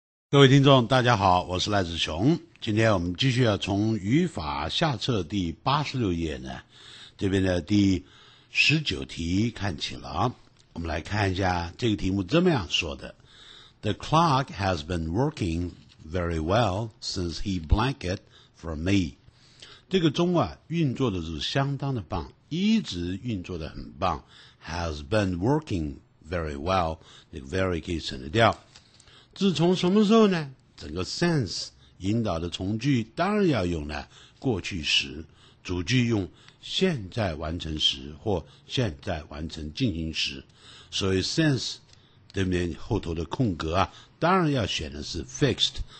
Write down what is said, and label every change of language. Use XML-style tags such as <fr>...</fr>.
<zh>各位听众，大家好，我是赖子雄。今天我们继续要从语法下册第86页呢，这边的第19题看起了。我们来看一下这个题目这么样说的。</zh> <en>The clock has been working very well since he blanked for me.</en> <zh>这个钟啊，运作的是相当的棒，一直运作的很棒。</zh> <en>Has been working very well.</en> <zh>这个</zh> <en>very</en> <zh>可以省得掉。自从什么时候呢？整个 since 引导的从句当然要用呢过去时，主句用现在完成时或现在完成进行时，所以 since 对面后头的空格啊，当然要选的是 fixed。</zh>